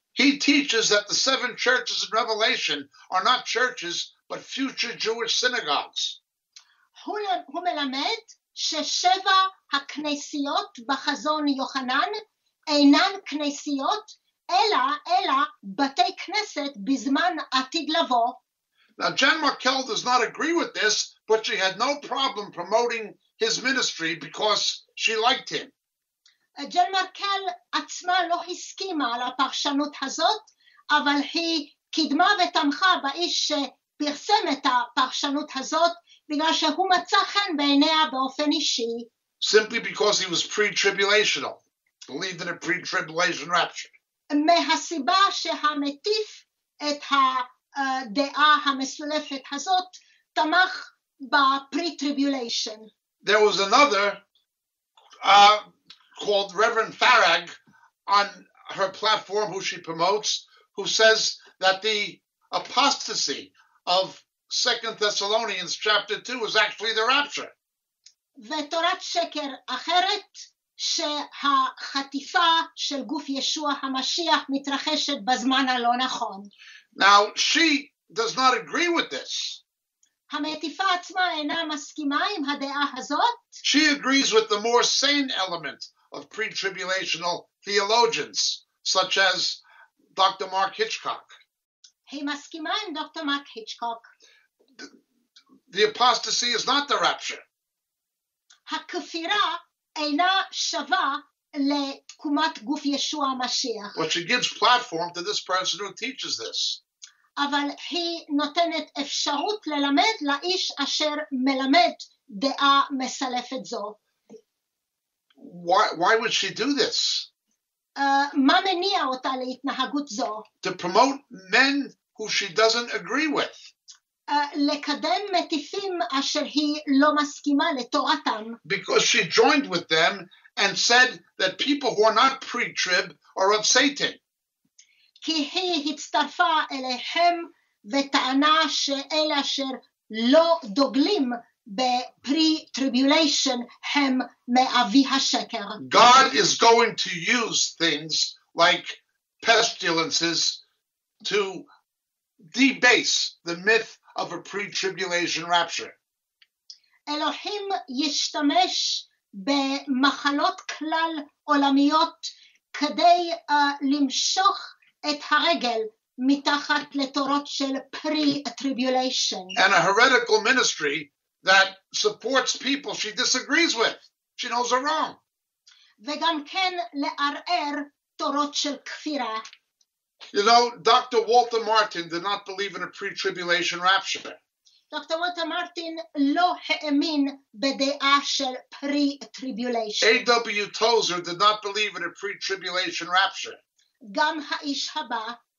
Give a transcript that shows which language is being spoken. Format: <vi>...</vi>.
<en>He teaches that the seven churches in Revelation are not churches, but future Jewish synagogues.</en> <he>הוא מלמד ששבע הכנסיות בחזון יוחנן אינן כנסיות, אלא בתי כנסת בזמן עתיד לבוא.</he> <en>Now, Jan Markell does not agree with this, but she had no problem promoting his ministry because she liked him.</en> <he>Jan Markell עצמה לא הסכימה על הפרשנות הזאת, אבל היא קידמה ותמכה באיש שפרסם את הפרשנות הזאת, בגלל שהוא מצא חן בעיניה באופן אישי.</he> <en>Simply because he was pre-tribulational, believed in a pre-tribulation rapture.</en> <he>מהסיבה שהמטיף את ה... דעה המסולפת הזאת תמך בפרי-טריביוליישן.</he> <en>There was another called Reverend Farag on her platform who she promotes who says that the apostasy of 2 Thessalonians chapter 2 was actually the rapture.</en> <he>ותורת שקר אחרת שהחטיפה של גוף ישוע המשיח מתרחשת בזמן הלא נכון.</he> <en>Now, she does not agree with this.</en> <he>המטיפה עצמה אינה מסכימה עם הדעה הזאת.</he> <en>She agrees with the more sane element of pre-tribulational theologians, such as Dr. Mark Hitchcock.</en> <he>היא מסכימה עם דוקטור מרק היצ'קוק.</he> <en>The apostasy is not the rapture.</en> <he>הכפירה אינה שווה לתקומת גוף ישוע המשיח.</he> <en>But she gives platform to this person who teaches this.</en> <he>אבל היא נותנת אפשרות ללמד לאיש אשר מלמד דעה מסלפת זו.</he> <en>Why would she do this?</en> <he>מה מניע אותה להתנהגות זו?</he> <en>To promote men who she doesn't agree with.</en> <he>לקדם מטיפים אשר היא לא מסכימה לתורתם.</he> <en>Because she joined with them and said that people who are not pre-trib are of Satan.</en> <he>כי היא הצטרפה אליהם וטענה שאלה אשר לא דוגלים בפרי-טריביוליישן הם מאבי השקר.</he> <en>God is going to use things like pestilences to debase the myth of a pre-tribulation rapture.</en> <he>אלוהים ישתמש במחלות כלל עולמיות כדי למשוך את הרגל מתחת לתורות של pre-tribulation.</he> <en>And a heretical ministry that supports people she disagrees with. She knows they're wrong.</en> <he>וגם כן לערער תורות של כפירה.</he> <en>You know, Dr. Walter Martin did not believe in a pre-tribulation rapture.</en> <he>Dr. Walter Martin לא האמין בדעה של pre-tribulation.</he> <en>A.W. Tozer did not believe in a pre-tribulation rapture.</en> <he>גם האיש הבא.</he>